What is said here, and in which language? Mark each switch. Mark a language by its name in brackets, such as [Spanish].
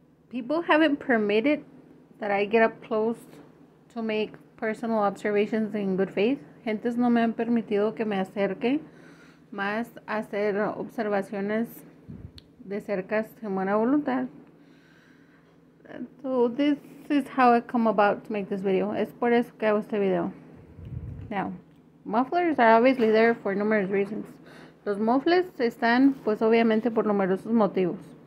[English] People haven't permitted that I get up close to make personal observations in good faith. [Spanish] Gentes no me han permitido que me acerque más a hacer observaciones de cerca sin buena voluntad. [English] So this is how I come about to make this video. [Spanish] Es por eso que hago este video. [English] Now, mufflers are obviously there for numerous reasons. [Spanish] Los mufles están, pues obviamente, por numerosos motivos.